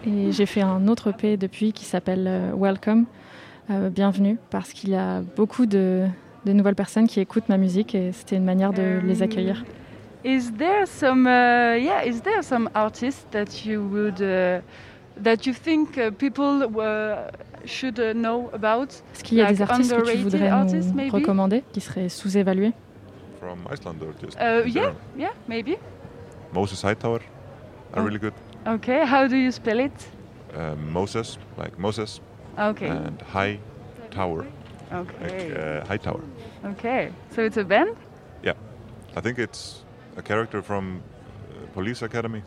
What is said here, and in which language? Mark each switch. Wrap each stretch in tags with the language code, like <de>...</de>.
<fr>Et j'ai fait un autre EP depuis qui s'appelle Welcome. Bienvenue, parce qu'il y a beaucoup de nouvelles personnes qui écoutent ma musique et c'était une manière de les accueillir.</fr> <en>Is there some is there some artist that you would that you think people should know about?</en> <fr>Est-ce qu'il y a des artistes que tu voudrais nous recommander qui seraient sous-évalués?</fr> <en>From Iceland or just yeah maybe. Moses Hightower, a really good. Okay, how do you spell it? Moses, like Moses. Okay. And High Tower. Okay. Like, High Tower. Okay. So it's a band? Yeah. I think it's a character from Police Academy.</en>